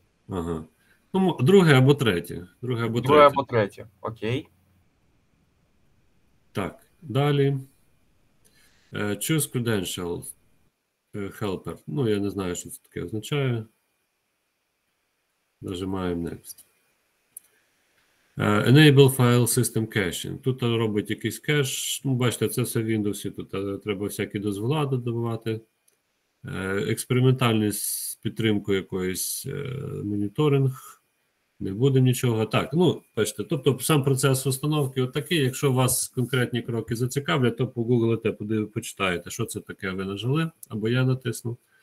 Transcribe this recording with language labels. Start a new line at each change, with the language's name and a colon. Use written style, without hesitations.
Ukrainian: Ага. Ну, друге або третє. Друге або третє. Окей. Так. Далі.
English: Choose credential helper.
Ukrainian: Ну, я не знаю, що це таке означає. Нажимаємо next.
English: Enable file system caching.
Ukrainian: Тут робить якийсь кеш. Ну, бачите, це все в Windows. Тут треба всякі дозволи додавати. Експериментальний з підтримкою якоїсь моніторинг. Не буде нічого. Так, ну, бачите, тобто сам процес установки отакий. Якщо вас конкретні кроки зацікавлять, то погуглите, почитаєте, що це таке ви нажали, або я натисну.